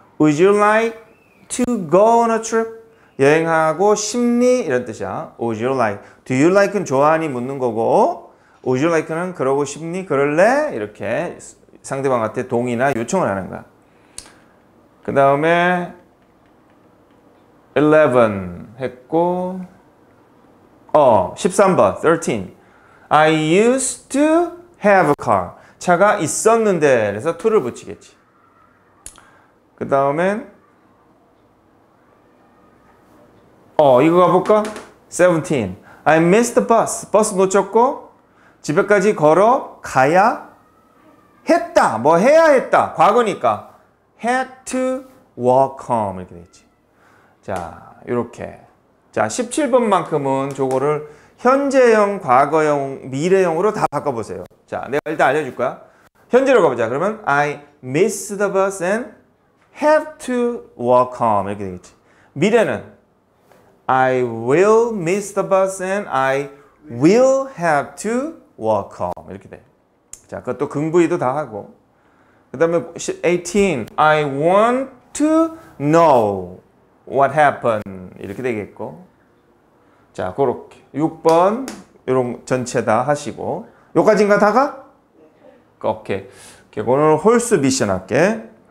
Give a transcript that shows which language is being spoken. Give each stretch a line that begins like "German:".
English: Would you like to go on a trip?
Korean: 여행하고 싶니? 이런 뜻이야.
English: Would you like? Do you like
Korean: 는 좋아하니? 묻는 거고
English: Would you like
Korean: 는 그러고 싶니? 그럴래? 이렇게 상대방한테 동의나 요청을 하는 거야. 그 다음에 11 했고 13번 13
English: I used to have a car.
Korean: 차가 있었는데 그래서 to를 붙이겠지. 그 다음엔 이거 가볼까? 17.
English: I missed the bus.
Korean: 버스 놓쳤고 집에까지 걸어 가야 했다. 뭐 해야 했다. 과거니까.
English: Had to walk home.
Korean: 이렇게 되지. 자, 이렇게. 자, 17번만큼은 저거를 현재형, 과거형, 미래형으로 다 바꿔보세요. 자, 내가 일단 알려줄 거야. 현재로 가보자.
English: 그러면 I missed the bus and have to walk home.
Korean: 이렇게 되겠지.
English: 미래는 I will miss the bus and I will have to walk home.
Korean: 이렇게 돼. 자, 그것도 긍부이도 다 하고. 그 다음에 18.
English: I want to know what happened.
Korean: 이렇게 되겠고. 자, 그렇게. 6번. 이런 전체 다 하시고. 요까지인가 다가? 오케이. 오케이. 오늘 홀수 미션 할게.